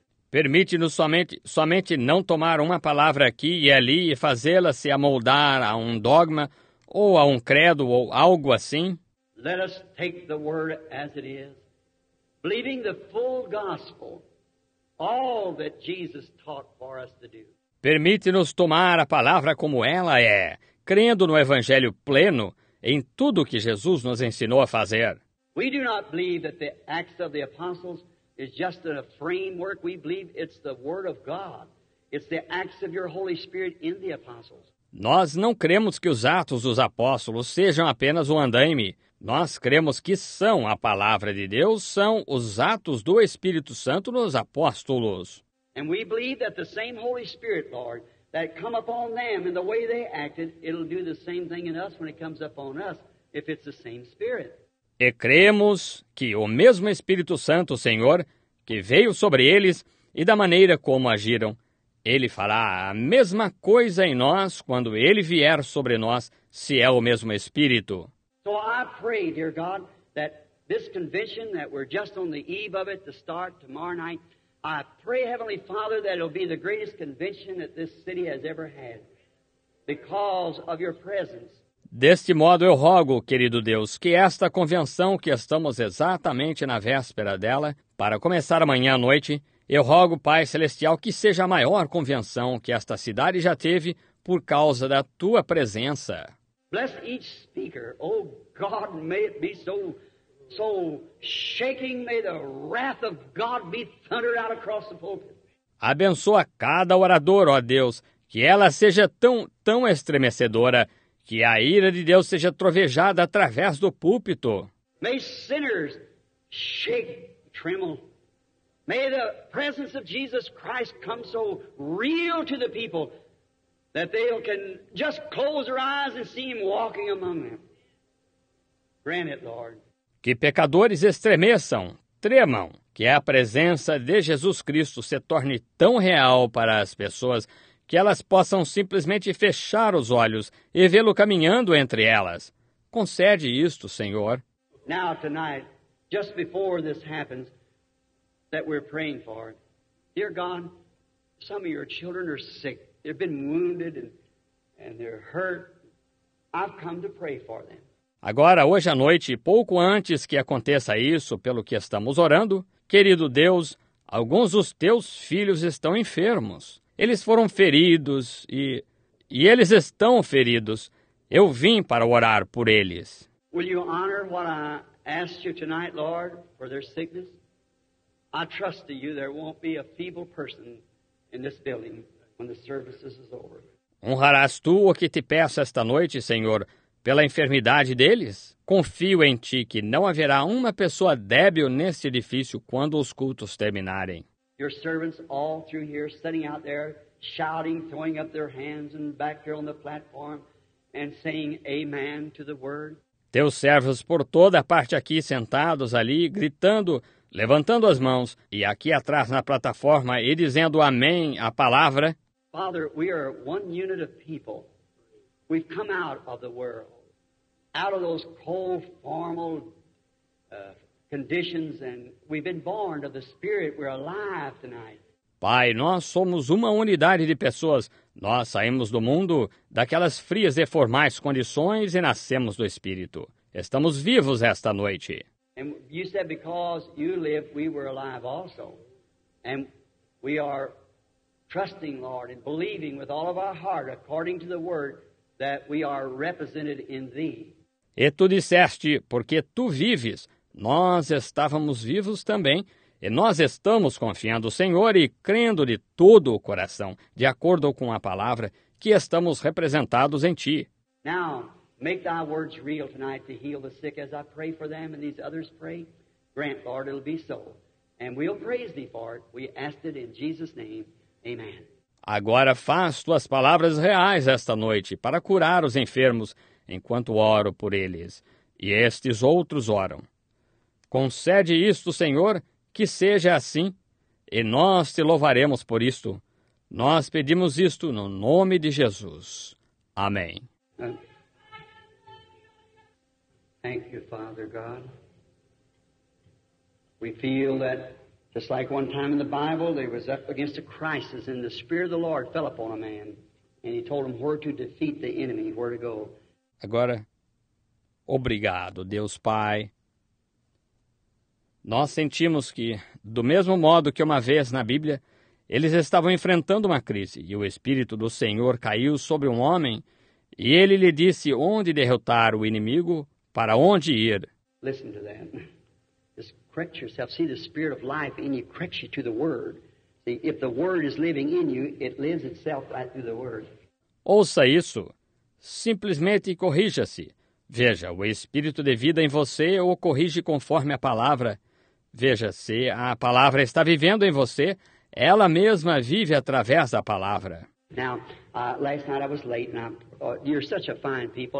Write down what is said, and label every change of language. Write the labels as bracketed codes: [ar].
[pt] Permite-nos somente não tomar uma palavra aqui e ali e fazê-la se amoldar a um dogma ou a um credo ou algo assim. [en] Let us take the word as it is, believing the full gospel, all that Jesus taught for us to do. [pt] Permite-nos tomar a palavra como ela é, crendo no Evangelho pleno em tudo que Jesus nos ensinou a fazer. [en] We do not believe that the Acts of the Apostles is just a framework. We believe it's the Word of God. It's the Acts of your Holy Spirit in the Apostles. [pt] Nós não cremos que os Atos dos Apóstolos sejam apenas um andaime. Nós cremos que são a Palavra de Deus, são os Atos do Espírito Santo nos Apóstolos. [en] And we believe that the same Holy Spirit, Lord, that come upon them in the way they acted, it'll do the same thing in us when it comes upon us, if it's the same Spirit. [pt] E cremos que o mesmo Espírito Santo, Senhor, que veio sobre eles e da maneira como agiram, Ele fará a mesma coisa em nós quando Ele vier sobre nós, se é o mesmo Espírito. [en] So I pray, dear God, that this convention, that we're just on the eve of it, to start tomorrow night, I pray, Heavenly Father, that it'll be the greatest convention that this city has ever had, because of your presence. [pt] Deste modo eu rogo, querido Deus, que esta convenção que estamos exatamente na véspera dela, para começar amanhã à noite, eu rogo, Pai Celestial, que seja a maior convenção que esta cidade já teve por causa da Tua presença. [en] Bless each speaker. Oh, God, may it be so shaking. May the wrath of God be thundered out across the pulpit. [pt] Abençoa cada orador, ó Deus, que ela seja tão estremecedora, que a ira de Deus seja trovejada através do púlpito. [en] May sinners shake, tremble. May the presence of Jesus Christ come so real to the people that they can just close their eyes and see Him walking among them. Grant it, Lord. [pt] Que pecadores estremeçam, tremam, que a presença de Jesus Cristo se torne tão real para as pessoas que elas possam simplesmente fechar os olhos e vê-lo caminhando entre elas. Concede isto, Senhor. [en] Now, tonight, just before this happens, that we're praying for, dear God, some of your children are sick. They've been wounded and they're hurt. I've come to pray for them. [pt] Agora, hoje à noite, pouco antes que aconteça isso, pelo que estamos orando, querido Deus, alguns dos teus filhos estão enfermos. Eles foram feridos e eles estão feridos. Eu vim para orar por eles. [en] Will you honor what I asked you tonight, Lord, for their sickness? I trust in you, there won't be a feeble person in this building when the service is over. [pt] Honrarás tu o que te peço esta noite, Senhor, pela enfermidade deles? Confio em ti que não haverá uma pessoa débil neste edifício quando os cultos terminarem. [en] Your servants all through here, sitting out there, shouting, throwing up their hands and back here on the platform and saying amen to the word. [pt] Teus servos por toda a parte aqui, sentados ali, gritando, levantando as mãos e aqui atrás na plataforma e dizendo amém à palavra. [en] Father, we are one unit of people. We've come out of the world, out of those cold, formal conditions, and we've been born of the Spirit. We're alive tonight. [pt] Pai, nós somos uma unidade de pessoas. Nós saímos do mundo, daquelas frias e formais condições, e nascemos do Espírito. Estamos vivos esta noite. [en] And you said because you live, we were alive also. And we are trusting, Lord, and believing with all of our heart, according to the Word, that we are represented in Thee. [pt] E tu disseste, porque tu vives, nós estávamos vivos também, e nós estamos confiando, Senhor, e crendo de todo o coração, de acordo com a palavra, que estamos representados em Ti. [en] Now, make Thy words real tonight to heal the sick as I pray for them and these others pray. Grant, Lord, it'll be so. And we'll praise Thee for it. We ask it in Jesus' name. Amen. [pt] Agora faz Tuas palavras reais esta noite para curar os enfermos enquanto oro por eles. E estes outros oram. Concede isto, Senhor, que seja assim, e nós te louvaremos por isto. Nós pedimos isto no nome de Jesus. Amém. [en] Thank you, Father God. We feel that just like one time in the Bible, they was up against a crisis, and the Spirit of the Lord fell upon a man, and he told him where to defeat the enemy, where to go. [pt] Agora, obrigado, Deus Pai. Nós sentimos que, do mesmo modo que uma vez na Bíblia, eles estavam enfrentando uma crise, e o Espírito do Senhor caiu sobre um homem, e ele lhe disse onde derrotar o inimigo, para onde ir. [en] Listen to that. Just correct yourself. See, the Spirit of life in you corrects you to the Word. See, if the Word is living in you, it lives itself right through the Word. [pt] Ouça isso. Simplesmente corrija-se. Veja, o Espírito de vida em você o corrige conforme a palavra. Veja, se a palavra está vivendo em você, ela mesma vive através da palavra. [en] Now, last night I was late, and you're such a fine people.